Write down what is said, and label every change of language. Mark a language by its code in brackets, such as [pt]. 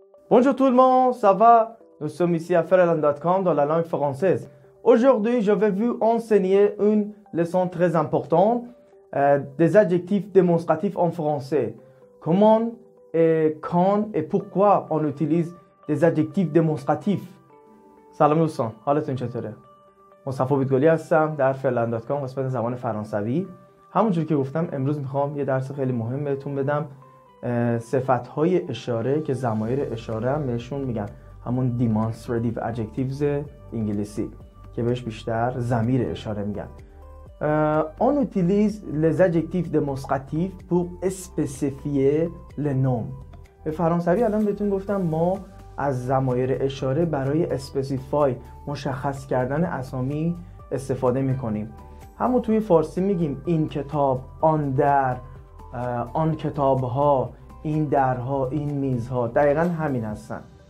[fr] Bonjour tout le monde, ça va? Nous sommes ici à ferland.com dans la langue française. Aujourd'hui, je vais vous enseigner une leçon très importante des adjectifs démonstratifs en français. Comment et quand et pourquoi on utilise des adjectifs démonstratifs? [fa] Salam Lusan, حالتون چطوره؟ مصطفی بیتگلی هستم در ferland.com قسمت زبان فرانسوی. همونجور که گفتم امروز میخوام یه درس خیلی مهم بهتون بدم. صفت های اشاره که ضمایر اشاره هم بهشون میگن، همون [en] demonstrative adjectives [fa] انگلیسی که بهش بیشتر ضمیر اشاره میگن. [fr] On utilise les adjectifs démonstratifs pour spécifier le nom. [fa] به فرانسوی الان بهتون گفتم ما از ضمایر اشاره برای specify، مشخص کردن اسامی استفاده میکنیم. همون توی فارسی میگیم این کتاب، آن در، آن کتاب ها، این درها، این میز ها، دقیقا همین هستن.